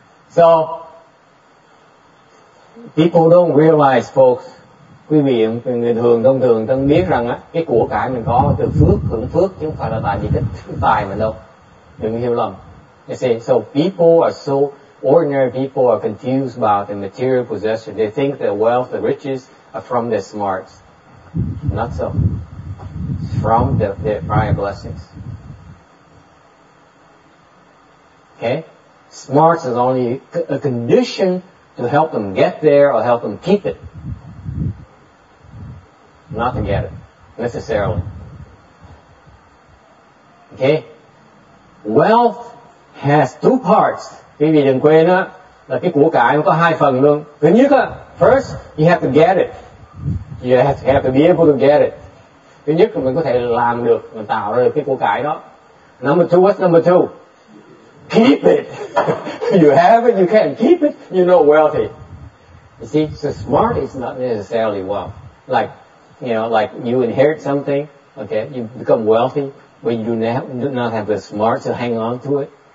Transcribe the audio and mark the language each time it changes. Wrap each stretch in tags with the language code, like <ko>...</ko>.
<en>So, people don't realize, folks,</en> <vi>quý vị, người thường, thông thường, thân biết rằng á, cái của cải mình có từ phước, hưởng phước, chứ không phải là tại vì cái tài mình đâu. Đừng hiểu lầm.</vi> <en>You see, so people are so, ordinary people are confused about the material possession. They think the wealth, the riches are from their smarts. Not so. It's from their prior blessings. Okay? Smarts is only a condition to help them get there or help them keep it. Not to get it, necessarily. Okay? Wealth has two parts.</en> <vi>Quý vị đừng quên á, là cái của cải nó có hai phần luôn. Thứ nhất á,</vi> <en>first, you have to get it. You have to be able to get it.</en> <vi>Thứ nhất là mình có thể làm được, mình tạo ra được cái của cải đó.</vi> <en>Number two, what's number two? Keep it. You have it, you can keep it, you're not wealthy. You see, so smart is not necessarily wealth. Like, you know, like you inherit something, okay, you become wealthy, but you do not have the smart to hang on to it.</en>